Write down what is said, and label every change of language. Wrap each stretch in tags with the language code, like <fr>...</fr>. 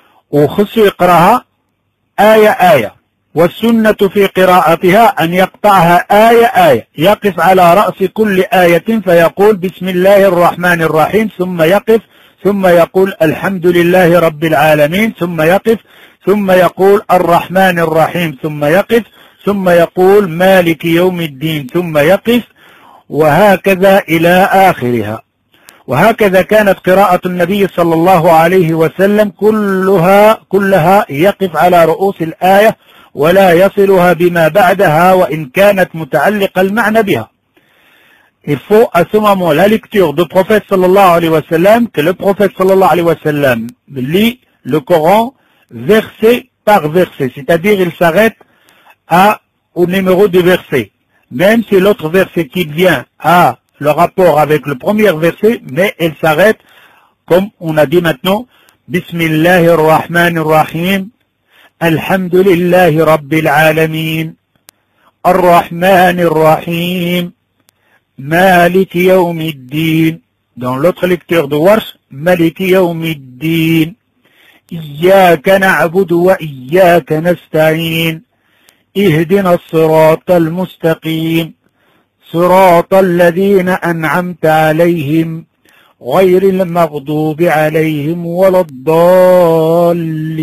<ar>وخصو يقراها ايه ايه، والسنه في قراءتها ان يقطعها ايه ايه، يقف على راس كل ايه فيقول بسم الله الرحمن الرحيم ثم يقف ثم يقول الحمد لله رب العالمين ثم يقف ثم يقول الرحمن الرحيم ثم يقف ثم يقول مالك يوم الدين ثم يقف، وهكذا إلى آخرها. وهكذا كانت قراءة النبي صلى الله عليه وسلم كلها يقف على رؤوس الآية ولا يصلها بما بعدها وإن كانت متعلقة المعنى بها.</ar> <fr>Il faut à ce moment la lecture du prophète sallallahu alayhi wa sallam, que le prophète sallallahu alayhi wa sallam lit le Coran verset par verset, c'est-à-dire il s'arrête au numéro du verset, même si l'autre verset qui vient a le rapport avec le premier verset, mais elle s'arrête comme on a dit maintenant,</fr> <ar>Bismillahirrahmanirrahim, Alhamdulillahi Rabbil Alameen, Arrahmanirrahim, مالك يوم الدين.</ar> <fr>دون لوتر ليكتور دو</fr> <ar>ورش، مالك يوم الدين، إياك نعبد وإياك نستعين، اهدنا الصراط المستقيم، صراط الذين أنعمت عليهم، غير المغضوب عليهم ولا الضالين.</ar>